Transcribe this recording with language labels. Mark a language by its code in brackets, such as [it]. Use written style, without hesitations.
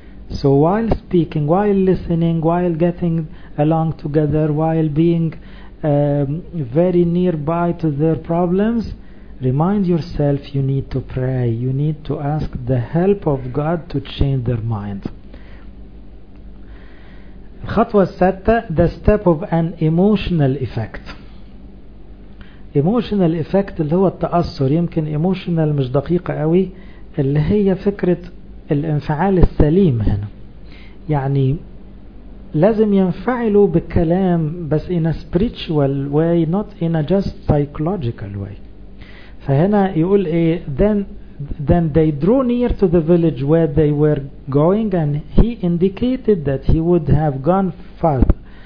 [en] So while speaking, while listening, while getting along together, while being very nearby to their problems, remind yourself you need to pray, you need to ask the help of God to change their mind. [ar] الخطوة السادسة, [en] the step of an emotional effect. [ar] Emotional effect اللي هو التأثر, يمكن emotional مش دقيقة قوي, اللي هي فكرة الانفعال السليم هنا. يعني لازم ينفعلوا بالكلام بس [en] in a spiritual way not in a just psychological way. [ar] فهنا يقول ايه, [en] then they drew near to the village where they were going and he indicated that he would have gone farther.